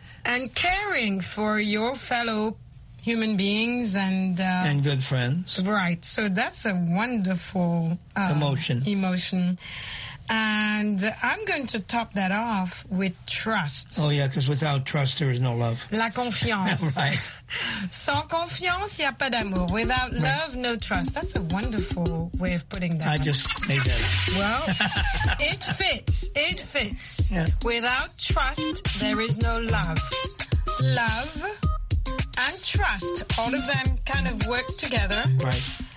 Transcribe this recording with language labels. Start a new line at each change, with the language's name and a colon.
English: And caring for your fellow human beings and good friends. Right. So that's a wonderful emotion. And I'm going to top that off with trust. Oh, yeah, because without trust, there is no love.
French: La confiance.
English: right.
French: Sans confiance, il n'y a pas d'amour.
English: Without right. love, no trust. That's a wonderful way of putting that. I just made that. Well, it fits. It fits. Yeah. Without trust, there is no love. Love... And trust, all of them kind of work together right.